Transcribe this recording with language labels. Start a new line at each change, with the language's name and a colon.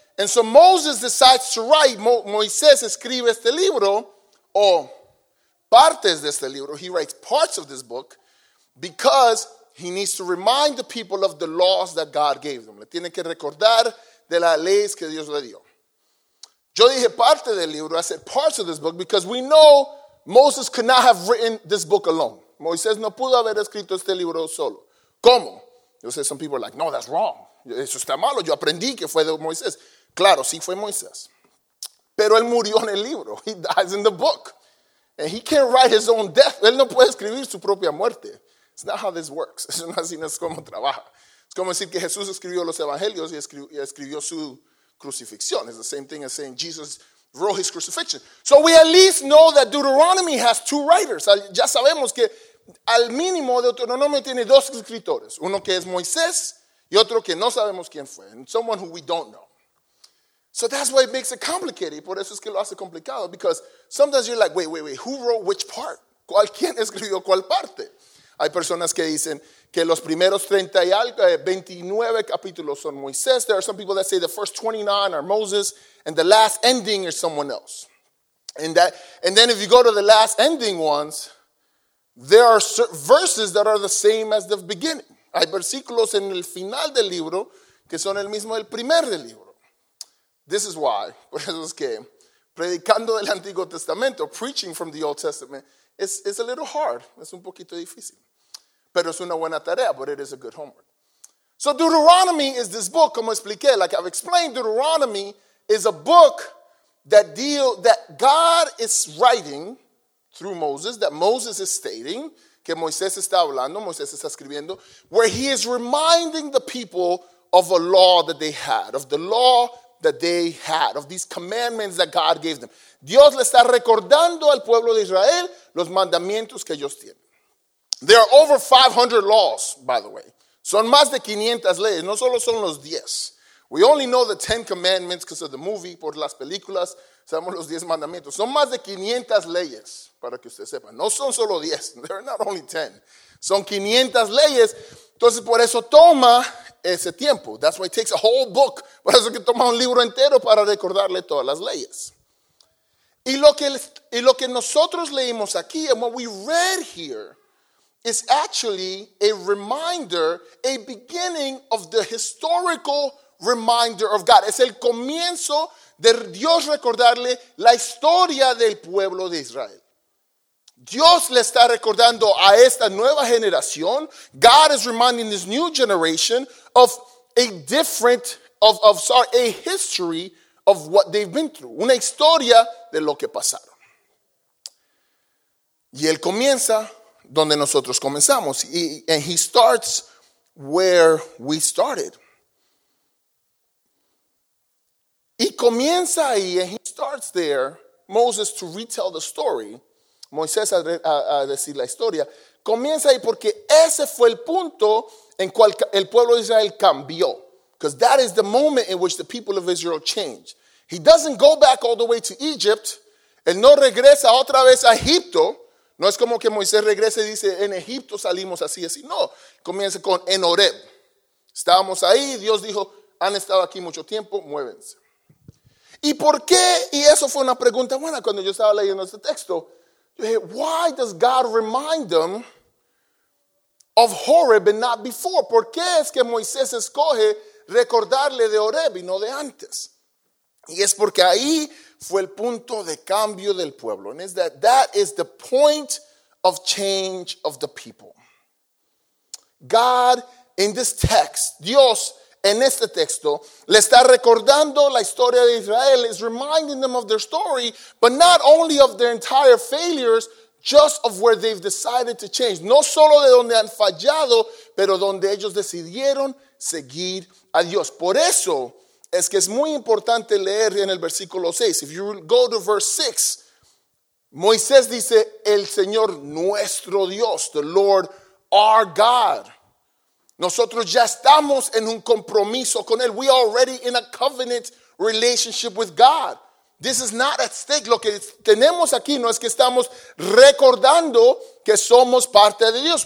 English: And so Moses decides to write,
Spanish: Moisés escribe este libro,
English: o partes de este libro, he writes parts of this book, because he needs to remind the people of the laws that God gave them.
Spanish: Le tiene que recordar de las leyes que Dios le dio. Yo dije parte del libro,
English: I said parts of this book, because we know Moses could not have written this book alone.
Spanish: Moisés no pudo haber escrito este libro solo. ¿Cómo? Yo sé,
English: some people are like, no, that's wrong.
Spanish: Eso está malo, yo aprendí que fue de Moisés. Claro, sí fue Moisés. Pero él murió en el libro.
English: He dies in the book. And he can't write his own death.
Spanish: Él no puede escribir su propia muerte.
English: It's not how this works.
Spanish: Eso no es como trabaja. Es como decir que Jesús escribió los evangelios y escribió su crucifixión.
English: It's the same thing as saying Jesus wrote his crucifixion. So we at least know that Deuteronomy has two writers.
Spanish: Ya sabemos que al mínimo Deuteronomy tiene dos escritores. Uno que es Moisés y otro que no sabemos quién fue.
English: And someone who we don't know. So that's why it makes it complicated.
Spanish: Por eso es que lo hace complicado.
English: Because sometimes you're like, wait, who wrote which part?
Spanish: ¿Cuál quién escribió cuál parte? Hay personas que dicen que los primeros 30 y algo, 29 capítulos son Moisés.
English: There are some people that say the first 29 are Moses and the last ending is someone else. And then if you go to the last ending ones, there are verses that are the same as the beginning.
Spanish: Hay versículos en el final del libro que son el mismo del primer del libro.
English: This is why,
Spanish: por eso es que predicando del Antiguo Testamento,
English: preaching from the Old Testament, it's a little hard.
Spanish: Es un poquito difícil. Pero es una buena tarea,
English: but it is a good homework. So Deuteronomy is this book, como expliqué, like I've explained, Deuteronomy is a book that God is writing through Moses, that Moses is stating,
Spanish: que Moisés está hablando, Moisés está escribiendo,
English: where he is reminding the people of a law that they had, of the law that they had, of these commandments that God gave them.
Spanish: Dios le está recordando al pueblo de Israel los mandamientos que ellos tienen.
English: There are over 500 laws, by the way.
Spanish: Son más de 500 leyes. No solo son los 10.
English: We only know the Ten Commandments because of the movie,
Spanish: por las películas. Sabemos los diez mandamientos. Son más de 500 leyes, para que usted sepa. No son solo 10.
English: They're not only 10.
Spanish: Son 500 leyes. Entonces, por eso toma ese tiempo.
English: That's why it takes a whole book.
Spanish: Por eso que toma un libro entero para recordarle todas las leyes. Y lo que nosotros leímos aquí,
English: and what we read here, is actually a reminder, a beginning of the historical reminder of God.
Spanish: Es el comienzo de Dios recordarle la historia del pueblo de Israel. Dios le está recordando a esta nueva generación.
English: God is reminding this new generation of a history of what they've been through.
Spanish: Una historia de lo que pasaron. Y él comienza donde nosotros comenzamos.
English: And he starts where we started.
Spanish: Y comienza ahí,
English: and he starts there, Moses to retell the story.
Spanish: Moisés a decir la historia. Comienza ahí porque ese fue el punto en cual el pueblo de Israel cambió.
English: Because that is the moment in which the people of Israel changed. He doesn't go back all the way to Egypt.
Spanish: Él no regresa otra vez a Egipto. No es como que Moisés regrese y dice, en Egipto salimos así, así. No, comienza con en Horeb. Estábamos ahí, Dios dijo, han estado aquí mucho tiempo, muévense. ¿Y por qué? Y eso fue una pregunta buena cuando yo estaba leyendo este texto. Yo dije,
English: why does God remind them of Horeb and not before?
Spanish: ¿Por qué es que Moisés escoge recordarle de Horeb y no de antes? Y es porque ahí fue el punto de cambio del pueblo.
English: And it's that is the point of change of the people. God, in this text,
Spanish: Dios, en este texto, le está recordando la historia de Israel.
English: Is reminding them of their story, but not only of their entire failures, just of where they've decided to change.
Spanish: No solo de donde han fallado, pero donde ellos decidieron seguir a Dios. Por eso es que es muy importante leer en el versículo 6.
English: If you go to verse 6,
Spanish: Moisés dice, el Señor nuestro Dios,
English: the Lord our God.
Spanish: Nosotros ya estamos en un compromiso con Él.
English: We are already in a covenant relationship with God. This is not at stake.
Spanish: Lo que tenemos aquí no es que estamos recordando que somos parte de Dios.